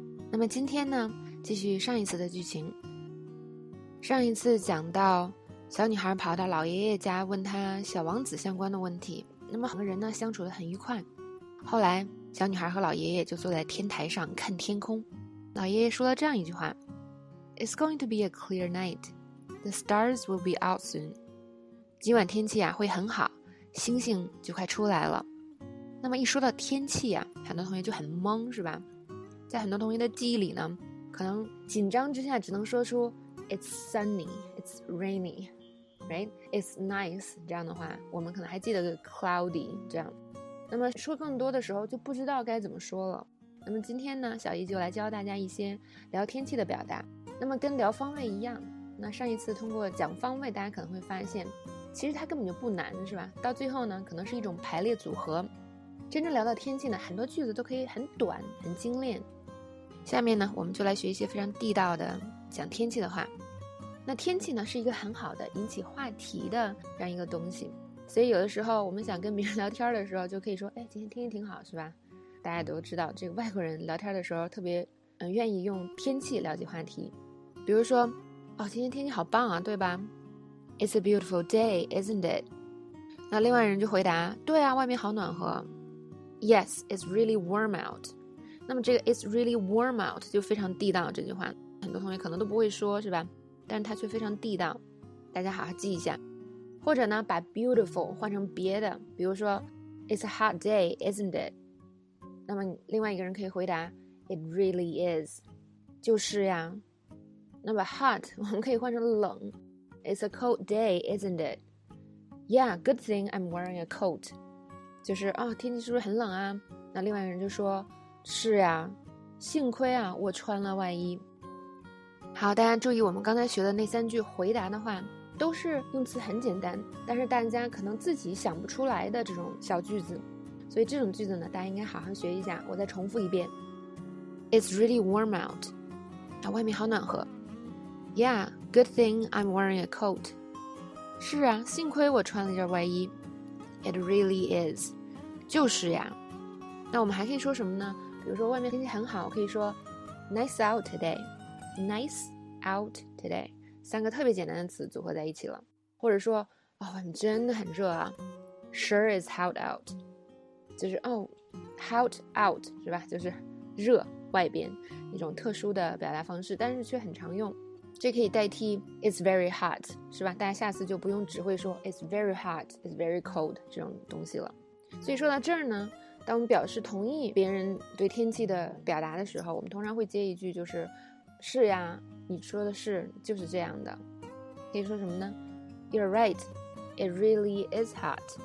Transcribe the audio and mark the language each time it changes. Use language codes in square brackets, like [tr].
[zh] 那么今天呢，继续上一次的剧情。上一次讲到，小女孩跑到老爷爷家，问他小王子相关的问题。那么两个人呢，相处得很愉快。后来，小女孩和老爷爷就坐在天台上看天空。老爷爷说了这样一句话 [en] ：“It's going to be a clear night. The stars will be out soon.” [zh] 今晚天气啊会很好，星星就快出来了。那么一说到天气啊，很多同学就很懵，是吧？在很多同学的记忆里呢，可能紧张之下只能说出 [en] It's sunny, it's rainy, right? It's nice, [zh] 这样的话我们可能还记得个 cloudy, 这样。那么说更多的时候就不知道该怎么说了。那么今天呢，小姨就来教大家一些聊天气的表达。那么跟聊方位一样，那上一次通过讲方位，大家可能会发现其实它根本就不难，是吧？到最后呢，可能是一种排列组合。真正聊到天气呢，很多句子都可以很短很精炼。下面呢，我们就来学一些非常地道的讲天气的话。那天气呢，是一个很好的引起话题的这样一个东西，所以有的时候我们想跟别人聊天的时候就可以说，哎，今天天气挺好，是吧？大家都知道这个外国人聊天的时候特别愿意用天气了解话题。比如说，哦，今天天气好棒啊，对吧？ [en] It's a beautiful day, isn't it? [zh] 那另外人就回答，对啊，外面好暖和。 [en] Yes, it's really warm out. [zh] 那么这个 [en] it's really warm out [zh] 就非常地道，这句话很多同学可能都不会说，是吧？但是它却非常地道，大家好好记一下。或者呢，把 beautiful 换成别的，比如说 [en] It's a hot day, isn't it? [zh] 那么另外一个人可以回答 [en] It really is. [zh] 就是呀。那么 hot 我们可以换成冷， [en] It's a cold day, isn't it? Yeah, good thing I'm wearing a coat. [zh] 就是啊，天气是不是很冷啊？那另外一个人就说，是呀，幸亏啊，我穿了外衣。好，大家注意我们刚才学的那三句回答的话，都是用词很简单，但是大家可能自己想不出来的这种小句子。所以这种句子呢，大家应该好好学一下。我再重复一遍。 [en] It's really warm out. [zh] 啊，外面好暖和。 [en] Yeah, good thing I'm wearing a coat. [zh] 是啊，幸亏我穿了件外衣。 [en] It really is. [zh] 就是呀。那我们还可以说什么呢？比如说外面天气很好，可以说 [en] Nice out today. Nice out today. [zh] 三个特别简单的词组合在一起了。或者说，哦，外面真的很热啊。 [en] Sure is hot out. [zh] 就是哦 [en] ，hot out 是吧？ [zh] 就是热外边一种特殊的表达方式，但是却很常用。这可以代替 [en] It's very hot, [zh] 是吧？大家下次就不用只会说 [en] It's very hot, It's very cold [zh] 这种东西了。所以说到这儿呢，当我们表示同意别人对天气的表达的时候，我们通常会接一句，就是是呀，你说的是，就是这样的。可以说什么呢？ [en] You're right, It really is hot.